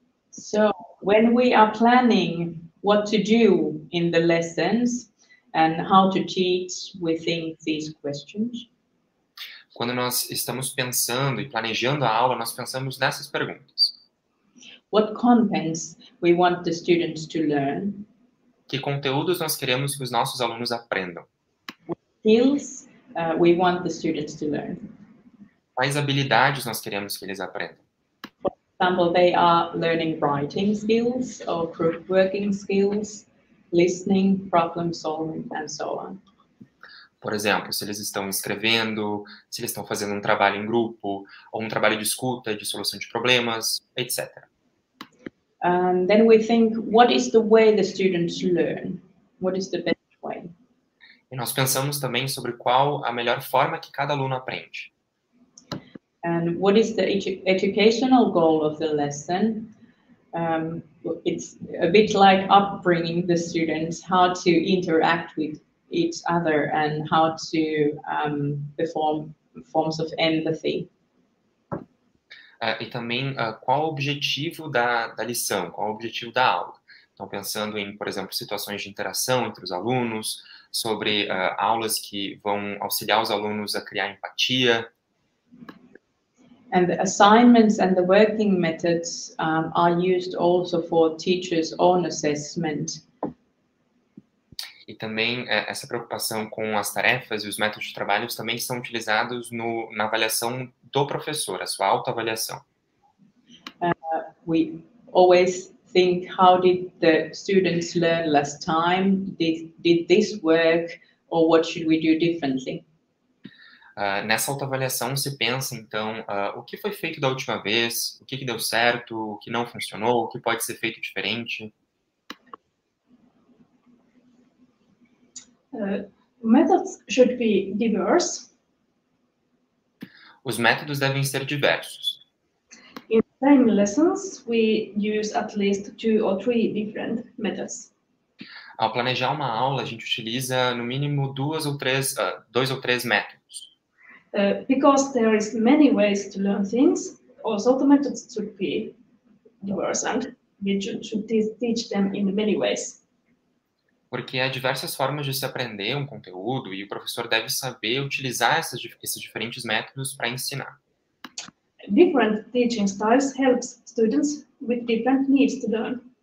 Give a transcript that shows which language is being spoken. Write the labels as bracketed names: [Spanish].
[English] So, when we are planning what to do in the lessons and how to teach, we think these questions. [Portuguese] Quando nós estamos pensando e planejando a aula, nós pensamos nessas perguntas. [English] What contents we want the students to learn? [Portuguese] Que conteúdos nós queremos que os nossos alunos aprendam? [English] What skills we want the students to learn? [Portuguese] Quais habilidades nós queremos que eles aprendam? [English] For example, they are learning writing skills or group working skills, listening, problem solving, and so on. [Portuguese] Por exemplo, se eles estão escrevendo, se eles estão fazendo um trabalho em grupo, ou um trabalho de escuta, de solução de problemas, etc. [English] Then we think, what is the way the students learn? What is the best way? [Portuguese] E nós pensamos também sobre qual a melhor forma que cada aluno aprende. [English] And what is the educational goal of the lesson? It's a bit like upbringing the students, how to interact with each other and how to perform forms of empathy. [Portuguese] E também, qual o objetivo da lição, qual o objetivo da aula? Então, pensando em, por exemplo, situações de interação entre os alunos, sobre aulas que vão auxiliar os alunos a criar empatia. [English] And the assignments and the working methods are used also for teachers' own assessment. [Portuguese] E também essa preocupação com as tarefas e os métodos de trabalho também são utilizados na avaliação do professor, a sua autoavaliação. [English] We always think, how did the students learn last time? Did this work? Or what should we do differently? [Portuguese] Nessa autoavaliação se pensa, então, o que foi feito da última vez, o que deu certo, o que não funcionou, o que pode ser feito diferente. [English] Methods should be diverse. [Portuguese] Os métodos devem ser diversos. [English] In the same lessons, we use at least 2 or 3 different methods. [Portuguese] Ao planejar uma aula, a gente utiliza no mínimo 2 ou 3 métodos. [English] Because there is many ways to learn things, also the methods should be diverse and we should teach them in many ways. [Portuguese] Porque há diversas formas de se aprender um conteúdo e o professor deve saber utilizar esses diferentes métodos para ensinar. [English] Different teaching styles helps students with different needs to learn.